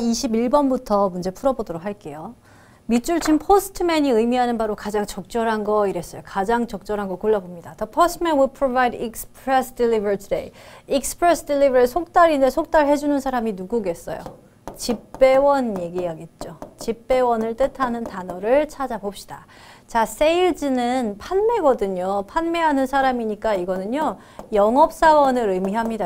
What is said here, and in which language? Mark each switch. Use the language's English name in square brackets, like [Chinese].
[Korean] 21번부터 문제 풀어보도록 할게요. 밑줄 친 포스트맨이 의미하는 바로 가장 적절한 거 이랬어요. 가장 적절한 거 골라봅니다. [English] The postman will provide express delivery today. [Korean] Express delivery 속달인데 속달 해주는 사람이 누구겠어요? 집배원 얘기하겠죠. 집배원을 뜻하는 단어를 찾아봅시다. 자, 세일즈는 판매거든요. 판매하는 사람이니까 이거는요, 영업사원을 의미합니다.